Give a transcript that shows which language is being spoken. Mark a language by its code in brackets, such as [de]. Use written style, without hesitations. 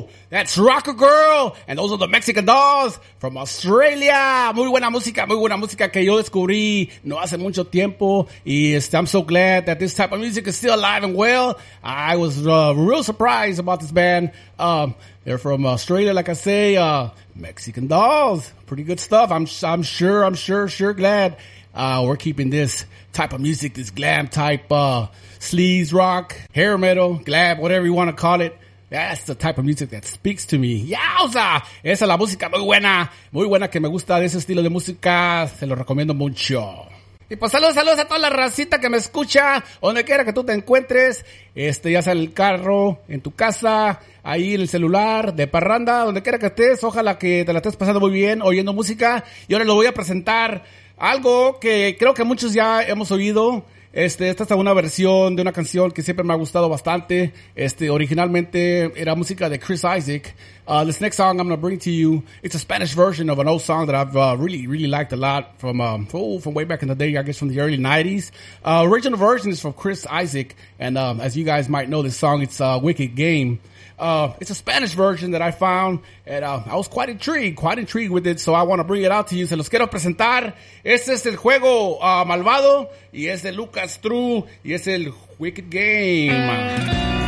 [en] That's Rocker Girl, and those are the Mexican Dolls from Australia. [es] Muy buena música que yo descubrí no hace mucho tiempo. [en] Y I'm so glad that this type of music is still alive and well. I was real surprised about this band. They're from Australia, like I say. Mexican Dolls, pretty good stuff. I'm sure glad we're keeping this type of music, this glam type sleaze rock, hair metal, glam, whatever you want to call it. That's the type of music that speaks to me. [es] ¡Yowza! Esa es la música muy buena. Muy buena que me gusta de ese estilo de música. Se lo recomiendo mucho. Y pues saludos, saludos a toda la racita que me escucha. Donde quiera que tú te encuentres. Ya sea en el carro, en tu casa, ahí en el celular, de parranda. Donde quiera que estés. Ojalá que te la estés pasando muy bien oyendo música. Y ahora les voy a presentar algo que creo que muchos ya hemos oído. Esta es una versión de una canción que siempre me ha gustado bastante. Originalmente era música de Chris Isaac. [en] This next song I'm gonna bring to you, it's a Spanish version of an old song that I've really liked a lot from way back in the day, I guess from the early 90s. Original version is from Chris Isaac, and as you guys might know this song, it's Wicked Game. It's a Spanish version that I found, and I was quite intrigued with it, so I want to bring it out to you. [es] Se los quiero presentar. Este es el juego malvado, y es de Lucas True, y es el Wicked Game.